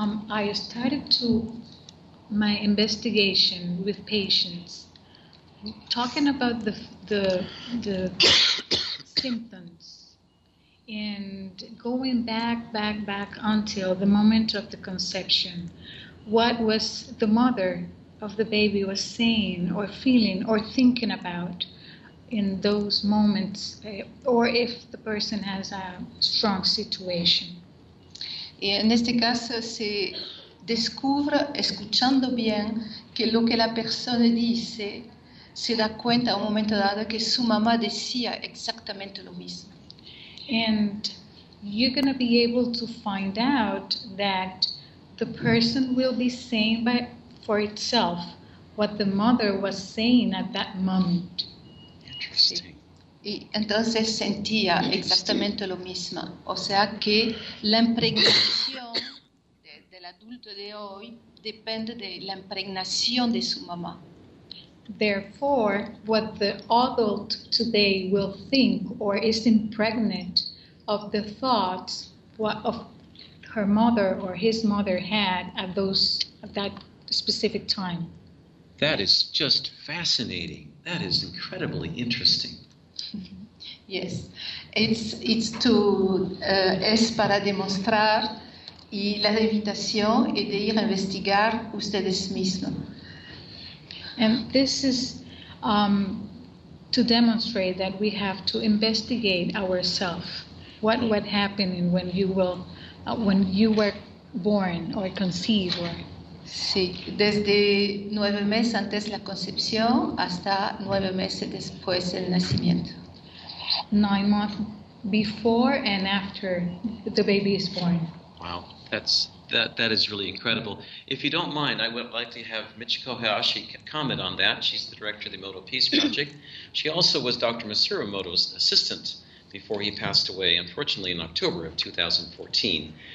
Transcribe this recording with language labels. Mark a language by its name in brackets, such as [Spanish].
[English] I started to my investigation with patients, talking about the symptoms, and going back until the moment of the conception. What was the mother of the baby was saying or feeling or thinking about in those moments, or if the person has a strong situation. [Spanish] Y en este caso se descubre escuchando bien que lo que la persona dice se da cuenta a un momento dado que su mamá decía exactamente lo mismo. [English] And you're going to be able to find out that the person will be saying by for itself what the mother was saying at that moment. Interesting. [Spanish] Y entonces sentía exactamente lo mismo. O sea que la impregnación del adulto de hoy depende de la impregnación de su mamá. [English] Therefore, what the adult today will think or is impregnant of the thoughts of her mother or his mother had at those at that specific time. That is just fascinating. That is incredibly interesting. Yes, it's to [Spanish] es para demostrar y la invitación es de ir a investigar ustedes mismos. [English] And this is to demonstrate that we have to investigate ourselves. What would happen when you will when you were born or conceived or. [Spanish] Sí, desde 9 meses antes de la concepción hasta 9 meses después del nacimiento. [English] 9 months before and after the baby is born. Wow, that is really incredible. If you don't mind, I would like to have Michiko Hayashi comment on that. She's the director of the Emoto Peace Project. She also was Dr. Masaru Emoto's assistant before he passed away, unfortunately, in October of 2014.